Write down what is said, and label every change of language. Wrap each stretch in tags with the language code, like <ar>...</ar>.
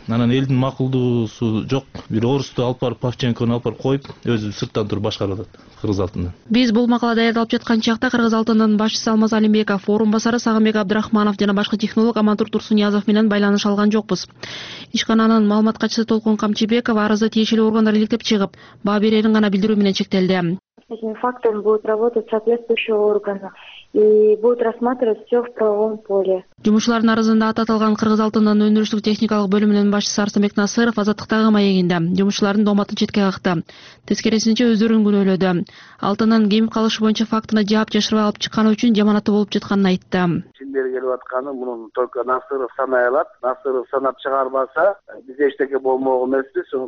<ky>Анан элдин макулдуусу жок, бир орусту алып барып, Павченкону алып барып коюп, өзү сырттан туруп башкарып атат Кыргыз Алтында. Биз бул макалада даярдалып жаткан чакта Кыргыз Алтындын башчысы Алмаз Алимбеков, орун басары Сагынбек Абдрахманов жана башкы технолог Амантур Турсуниязов менен байланыша алган жокпуз. Ишкананын маалымат катчысы Толкун Камчыбеков арызды тиешелүү органдар иликтеп чыгып, баа берерин гана билдирүү менен чектелди.</ky> <ru>Этим фактом будут работать соответствующие органы и будут рассматривать все в правовом поле.</ru> <ky>Жумушчулардын арызында аталган Кыргыз Алтындын өндүрүштүк техникалык бөлүмүнүн башчысы Арсынбек Насыров азаттыктагы маегинде жумушчулардын дооматын четке какты. Тескерисинче өздөрүн күнөөлөдү. Алтындын кемип калышы боюнча фактыны жаап жашырып алып чыкканы үчүн жаманаты болуп жатканын айтты. Чиндер келип атканы мунун только Насыров санай алат. Насыров санап чыгарбаса биз эчтеке болмок эмеспиз.</ky>